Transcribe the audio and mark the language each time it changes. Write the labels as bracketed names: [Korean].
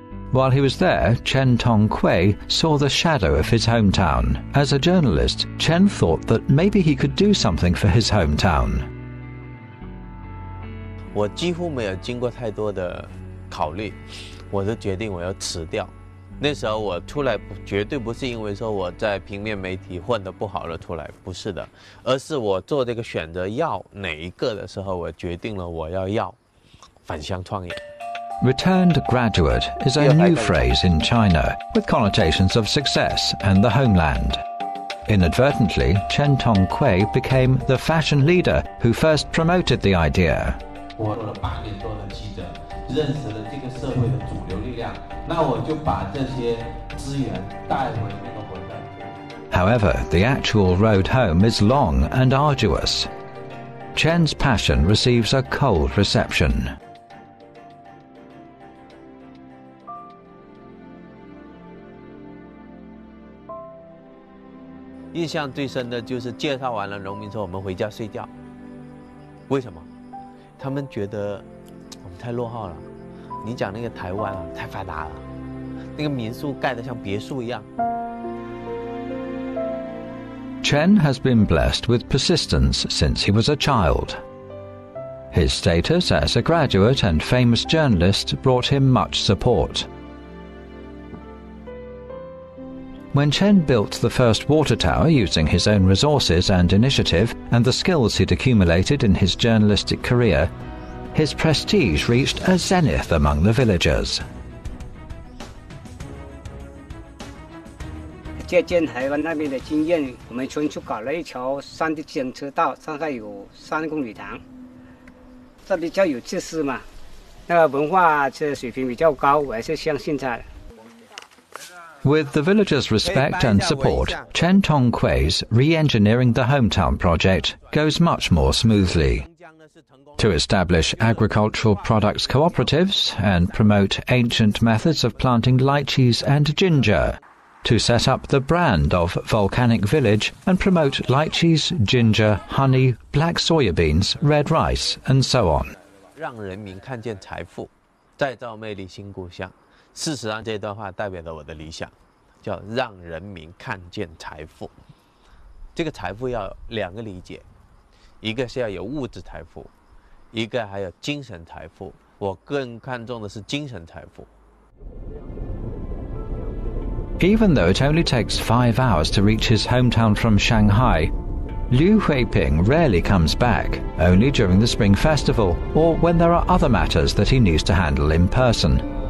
[English] While he was there, Chen Tongkui saw the shadow of his hometown. As a journalist, Chen thought that maybe he could do something for his hometown. [Chinese] 我几乎没有经过太多的考虑，我就决定我要辞掉。那时候我出来绝对不是因为说我在平面媒体混得不好了出来，不是的，而是我做这个选择要哪一个的时候，我决定了我要返乡创业。 [English] Returned graduate is a new phrase in China with connotations of success and the homeland. Inadvertently, Chen Tongkui became the fashion leader who first promoted the idea. [Chinese] 我做了8年多的记者，认识了这个社会的主流力量。 [English] However, the actual road home is long and arduous. Chen's passion receives a cold reception. The most impressive thing is that the farmers said, we're going to sleep home. Why? They felt that we're too behind. You talk about Taiwan, it's too advanced. [Chinese] 那个民宿盖得像别墅一样。 [English] Chen has been blessed with persistence since he was a child. His status as a graduate and famous journalist brought him much support. When Chen built the first water tower using his own resources and initiative and the skills he'd accumulated in his journalistic career, his prestige reached a zenith among the villagers. [Chinese] 借鉴台湾那边的经验，我们村就搞了一条山的自行车道，上下有3公里长，这比较有气势嘛。那个文化这水平比较高，我还是相信他的。 [English] With the villagers' respect and support, Chen Tongkui's re-engineering the hometown project goes much more smoothly. To establish agricultural products cooperatives and promote ancient methods of planting lychees and ginger. To set up the brand of Volcanic Village and promote lychees, ginger, honey, black soya beans, red rice, and so on. [Chinese] 让人民看见财富，再造魅力新故乡。事实上，这段话代表了我的理想，叫让人民看见财富。这个财富要两个理解，一个是要有物质财富，一个还有精神财富，我更看重的是精神财富。 [English] Even though it only takes 5 hours to reach his hometown from Shanghai, Liu Huiping rarely comes back, only during the Spring Festival or when there are other matters that he needs to handle in person.